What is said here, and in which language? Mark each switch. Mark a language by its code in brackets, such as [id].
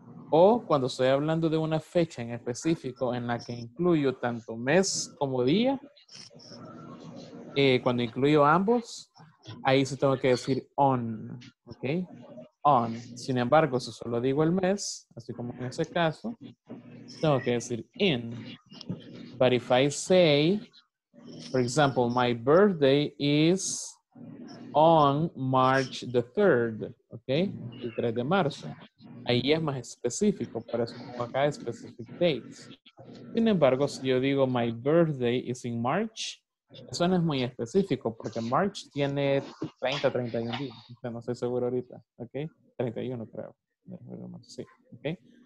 [es] O cuando estoy hablando de una fecha en específico en la que incluyo tanto mes como día, cuando incluyo ambos, ahí se tengo que decir on, ¿ok? On. Sin embargo, si solo digo el mes, así como en ese caso, tengo que decir in. [en] But if I say, for example, my birthday is on March the 3rd, ¿ok? [es] El 3 de marzo. Ahí es más específico, por eso pongo acá [en] specific dates. [es] Sin embargo, si yo digo [en] my birthday is in March, [es] eso no es muy específico porque March tiene 30, 31 días. No estoy seguro ahorita, ¿ok? 31 creo. Sí, ¿ok?